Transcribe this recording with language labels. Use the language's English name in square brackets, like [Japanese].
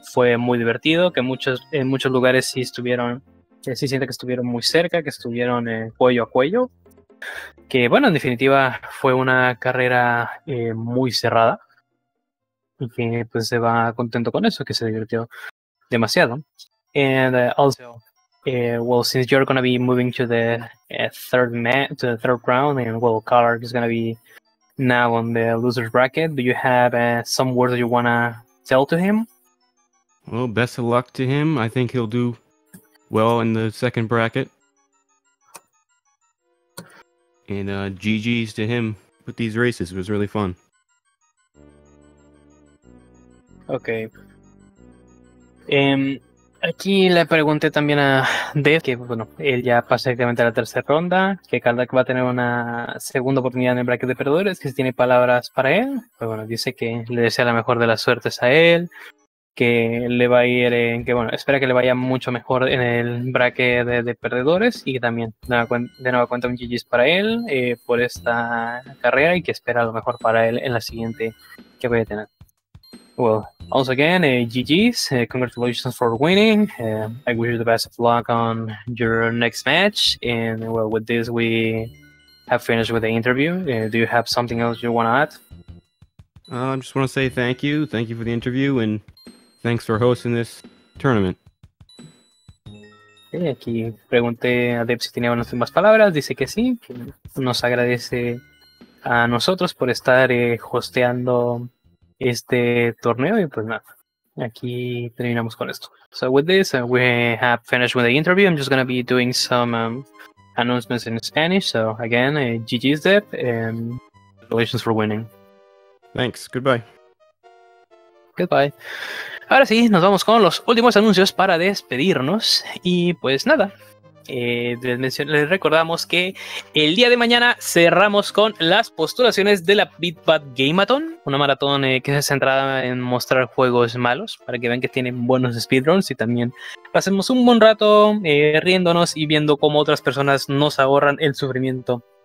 [Spanish] Fue muy divertido, que en muchos lugares sí estuvieron, sí siente que estuvieron muy cerca, que estuvieron cuello a cuello. Que bueno, en definitiva fue una carrera muy cerrada. Y que pues se va contento con eso, que se divirtió demasiado. [English] And also, well, since you're gonna be moving to the third round, and well, Clark is gonna be now on the loser's bracket, do you have some words that you wanna tell to him? Well, best of luck to him. I think he'll do well in the second bracket. And GG's to him. But these races, it was really fun. Okay. [Spanish] Aquí le pregunté también a Dev, que bueno, él ya pasa directamente a la tercera ronda, que Kaldak va a tener una segunda oportunidad en el bracket de perdedores, que si tiene palabras para él, pues bueno, dice que le desea la mejor de las suertes a él, que le va a ir en, que bueno, espera que le vaya mucho mejor en el bracket de perdedores, y que también de nueva cuenta un GG's para él por esta carrera, y que espera lo mejor para él en la siguiente que vaya a tener. [English] Well, once again, GG's, congratulations for winning. I wish you the best of luck on your next match. And well, with this, we have finished with the interview. Do you have something else you want to add? I just want to say thank you. Thank you for the interview, and thanks for hosting this tournament. [Spanish] Okay, aquí pregunté a Deb si tenía unas últimas palabras. Dice que sí. Que nos agradece a nosotros por estar hosteando este torneo, y pues nada, aquí terminamos con esto. [English] So with this, we have finished with the interview. I'm just going to be doing some announcements in Spanish. So again, GG's Deb, and congratulations for winning. Thanks, goodbye. Goodbye. [Spanish] Ahora sí, nos vamos con los últimos anuncios para despedirnos, y pues nada. Les recordamos que el día de mañana cerramos con las postulaciones de la BitBat Gameathon, una maratón que se centra en mostrar juegos malos para que vean que tienen buenos speedruns, y también pasemos un buen rato riéndonos y viendo cómo otras personas nos ahorran el sufrimiento